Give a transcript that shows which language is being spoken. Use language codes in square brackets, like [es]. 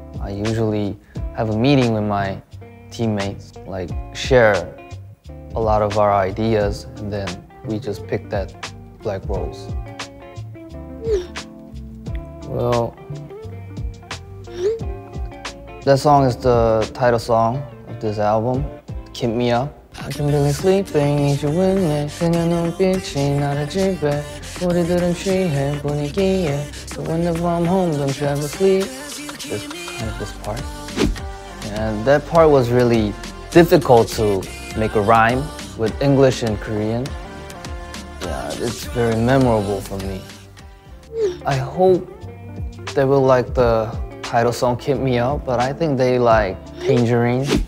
[en] I usually have a meeting with my teammates, like share a lot of our ideas, and then we just pick that Black Rose. Well, that song is the title song of this album, Keep Me Up. I can barely sleep, need you with me. [ko] 그녀 눈빛이 나를 지배. 우리들은 취해 분위기에. [en] So whenever I'm home, don't you ever sleep? This kind of this part. And that part was really difficult to make a rhyme with English and Korean. Yeah, it's very memorable for me. I hope they will like the title song Keep Me Up, but I think they like Tangerine.